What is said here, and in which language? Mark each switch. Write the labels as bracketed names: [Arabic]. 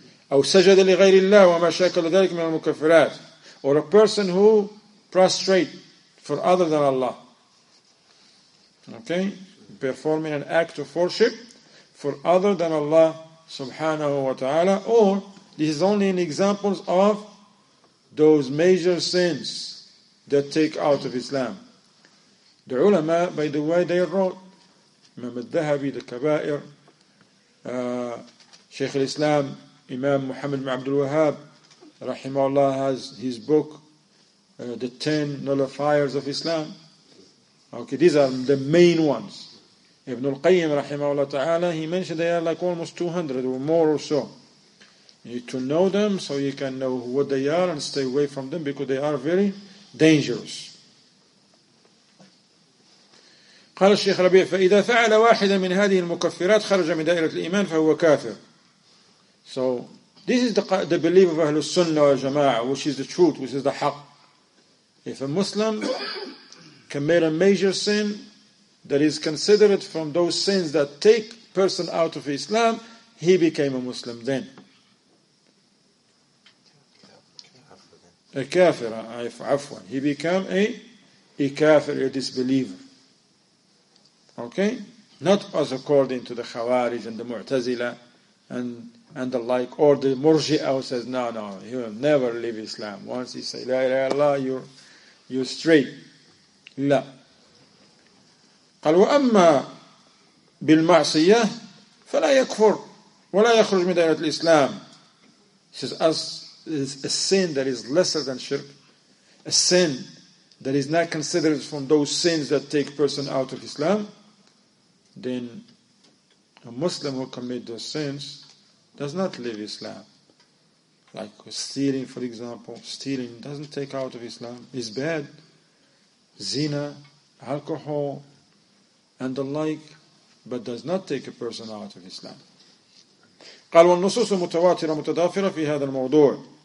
[Arabic] أو سجد لغير الله وما شاكل ذلك من المكفرات. [English] Or a person who prostrate for other than Allah. Okay? Performing an act of worship. ف for other than Allah subhanahu wa ta'ala, or this is only an example of those major sins that take out of Islam. The ulama, by the way, they wrote, Imam al-Dhahabi, the Kabair, Shaykh al-Islam, Imam Muhammad bin Abdul Wahhab, rahimahullaah, has his book, The 10 Nullifiers of Islam. Okay, these are the main ones. Ibn al-Qayyim, rahimahullaah ta'ala, he mentioned they are like almost 200 or more or so. You need to know them so you can know what they are and stay away from them because they are very dangerous. [Arabic] قال الشيخ ربيع فإذا فعل واحدا من هذه المكفرات خرج من دائرة الإيمان فهو كافر. [English] So this is the belief of Ahlul Sunnah wal Jama'ah, which is the truth, which is the haq. If a Muslim commit a major sin that is considered from those sins that take person out of Islam, he became a Muslim then. A kafir, he became a kafir, a disbeliever. Okay? Not as according to the Khawarij and the Mu'tazila and the like, or the Murji'a who says, no, he will never leave Islam. Once he says, La ilaha illallah, you're straight. [Arabic] لا. قال وأما بالمعصية فلا يكفر ولا يخرج من دائرة الإسلام. [English] He says, as a sin that is lesser than shirk, a sin that is not considered from those sins that take person out of Islam, then a Muslim who commits those sins does not leave Islam. Like stealing, for example, stealing doesn't take out of Islam, it's bad. Zina, alcohol, and the like, but does not take a person out of Islam. [Arabic] قال والنصوص المتواترة متضافرة في هذا الموضوع.